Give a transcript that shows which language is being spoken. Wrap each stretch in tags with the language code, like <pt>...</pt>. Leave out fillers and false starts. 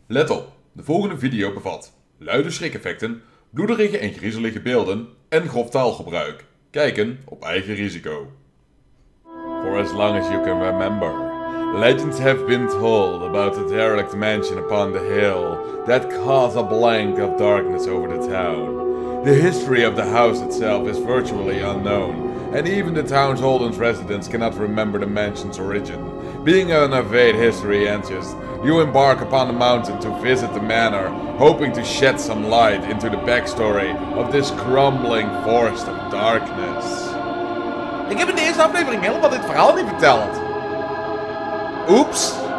<nl>Let op, de volgende video bevat luide schrikeffecten, bloederige en griezelige beelden en grof taalgebruik. Kijken op eigen risico.</nl> <en>For as long as you can remember, legends have been told about the derelict mansion upon the hill that caused a blank of darkness over the town. The history of the house itself is virtually unknown, and even the town's oldest residents cannot remember the mansion's origin. Being an avid history enthusiast, you embark upon the mountain to visit the manor, hoping to shed some light into the backstory of this crumbling forest of darkness.</en> <nl>Ik heb in de eerste aflevering helemaal dit verhaal niet verteld. Oeps.</nl>